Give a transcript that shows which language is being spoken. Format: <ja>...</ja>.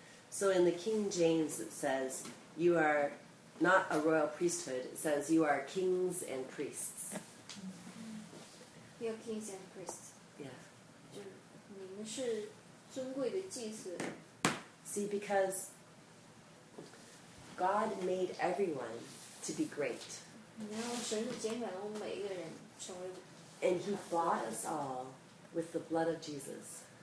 <en>So in the King James it says, you are not a royal priesthood, it says you are kings and priests. You are kings and priests. Yeah.</en> <zh>就你们是尊贵的祭司。</zh> <en>See, because God made everyone to be great.</en> <zh>然后神是拣选了我们每一个人成为</zh> <en>And He bought us all with the blood of Jesus.</en>